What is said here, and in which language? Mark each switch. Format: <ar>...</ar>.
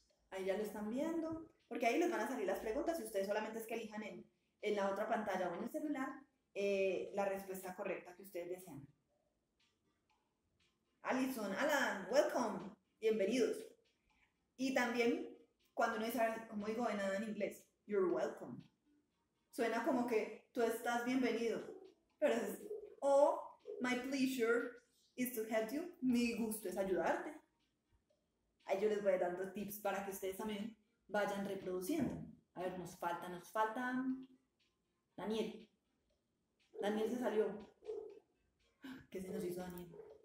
<es>Ahí ya lo están viendo, porque ahí les van a salir las preguntas y ustedes solamente es que elijan en la otra pantalla o en el celular la respuesta correcta que ustedes desean. Alison, Alan, welcome, bienvenidos. Y también cuando uno dice, ¿cómo digo de nada en inglés?</es> <en>You're welcome.</en> <es>Suena como que tú estás bienvenido. Pero es,</es> <en>oh, my pleasure is to help you.</en> <es>Mi gusto es ayudarte. Ahí yo les voy dando tips para que ustedes también vayan reproduciendo. A ver, nos faltan. Daniel. Daniel se salió. ¿Qué se nos hizo Daniel?</es>